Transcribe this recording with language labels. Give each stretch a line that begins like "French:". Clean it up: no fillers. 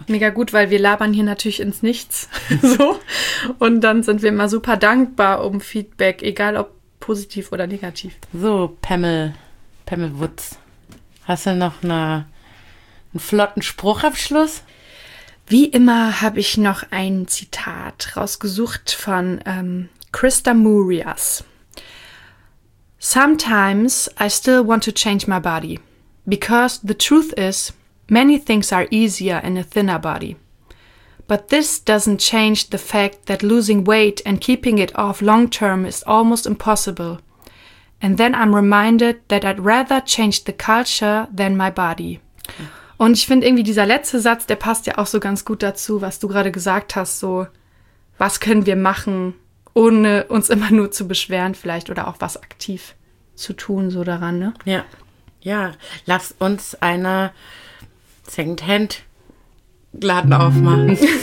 German: Mega gut, weil wir labern hier natürlich ins Nichts. So. Und dann sind wir immer super dankbar um Feedback, egal ob positiv oder negativ. So, Pamel Wutz, hast du noch einen flotten Spruchabschluss? Wie immer habe ich noch ein Zitat rausgesucht von Krista Murias.
English: Sometimes I still want to change my body. Because the truth is, many things are easier in a thinner body. But this doesn't change the fact that losing weight and keeping it off long term is almost impossible. And then I'm reminded that I'd rather change the culture than my body.
German: Und ich finde irgendwie dieser letzte Satz, der passt ja auch so ganz gut dazu, was du gerade gesagt hast, so, was können wir machen, ohne uns immer nur zu beschweren vielleicht oder auch was aktiv zu tun so daran, ne? Ja. Ja, lass uns einen Secondhand-Laden aufmachen.